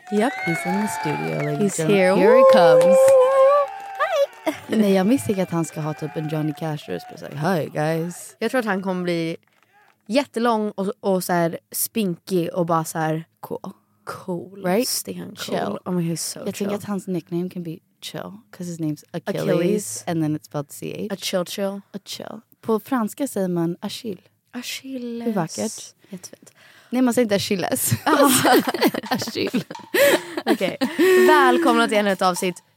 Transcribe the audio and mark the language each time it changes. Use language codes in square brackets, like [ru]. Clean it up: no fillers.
[en] Yep. He's in the studio. Like, he's here. Here he comes. Hi. [sv] Nej, jag misstänker att han ska ha typ en Johnny Cash röst. [en] Like, hi guys. [sv] Jag tror att han kommer bli jättelång och så här spinkig och bara så här [en] cool. Right? Stan cool. Chill. Oh my god, he's so [sv] jag [en] chill. I think [sv] hans [en] nickname can be chill because his name's Achilles and then it's spelled CH. A chill. [sv] På franska säger man Achille. Achilles. Hur vackert. Jättefint. Nej, man säger inte Achilles. Achille. Okej. Okay. Välkomna till ännu ett avsnitt.